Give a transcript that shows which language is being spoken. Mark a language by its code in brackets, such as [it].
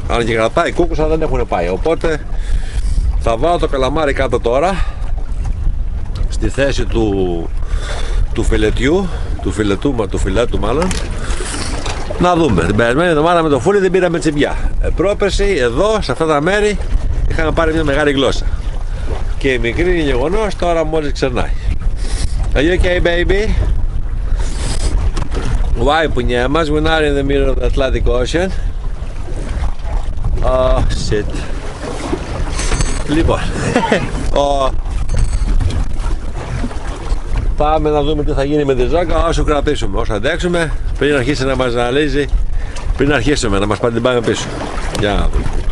[el] Αν και κρατάει κούκους, αλλά δεν έχουν πάει. Οπότε θα βάλω το καλαμάρι κάτω τώρα στη θέση του φιλετιού, του φιλετού, του φιλέτου μάλλον. Να δούμε. Την περασμένη εβδομάδα με το φούλι δεν πήραμε τσιμπιά. Πρόπερση, εδώ, σε αυτά τα μέρη, είχαμε πάρει μια μεγάλη γλώσσα. Και η μικρή είναι γεγονός, τώρα μόλις ξερνάει. [en] Are you okay, baby? Why, [el] πουνιέ μας, [en] we're not in the middle of the Atlantic Ocean. shit. [el] Λοιπόν, πάμε να δούμε τι θα γίνει με τη Ζάκα, όσο κρατήσουμε, όσο αντέξουμε, πριν αρχίσει να μας ζαλίζει, πριν αρχίσουμε να μας πάρει την πάμε πίσω. Για να δούμε.